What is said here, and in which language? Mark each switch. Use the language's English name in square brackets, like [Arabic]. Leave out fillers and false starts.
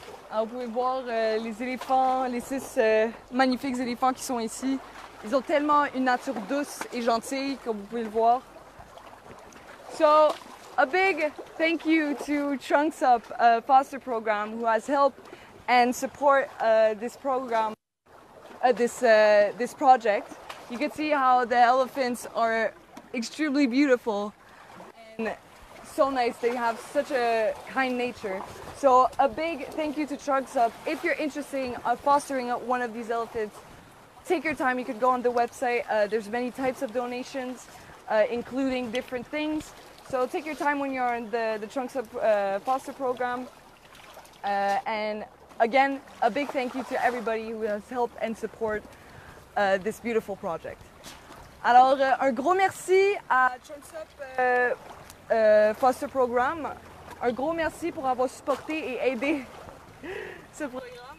[French] Alors, vous pouvez voir les éléphants, les six magnifiques éléphants qui sont ici. Ils ont tellement une nature douce et gentille, comme vous pouvez le voir. [English] So, a big thank you to Trunks Up Foster Program, who has helped and support this program, this project. You can see how the elephants are extremely beautiful and so nice. They have such a kind nature. So a big thank you to Trunks Up. If you're interested in fostering one of these elephants, take your time. You can go on the website. There's many types of donations, including different things. So take your time when you're in the Trunks Up foster program. And again, a big thank you to everybody who has helped and support this beautiful project. [French] Alors, un gros merci à Trunks Up foster program. Un gros merci pour avoir supporté et aidé ce programme.